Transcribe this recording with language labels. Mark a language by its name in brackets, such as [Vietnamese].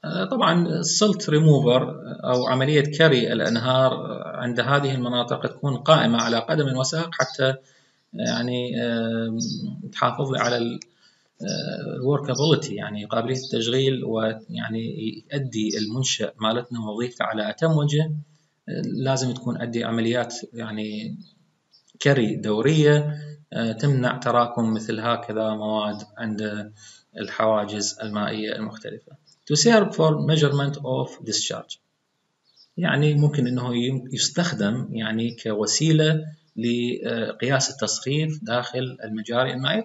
[Arabic] طبعا السلت ريموفر او عملية كري الانهار عند هذه المناطق تكون قائمة على قدم وساق، حتى يعني تحافظ على workability، يعني قابلية التشغيل، ويعني يؤدي المنشأ مالتنا وظيفته على أتم وجه. لازم تكون أدي عمليات يعني كري دورية تمنع تراكم مثل هكذا مواد عند الحواجز المائية المختلفة [English] to serve for measurement of discharge. [Arabic] يعني ممكن انه يستخدم يعني كوسيلة لقياس التصريف داخل المجاري المائية.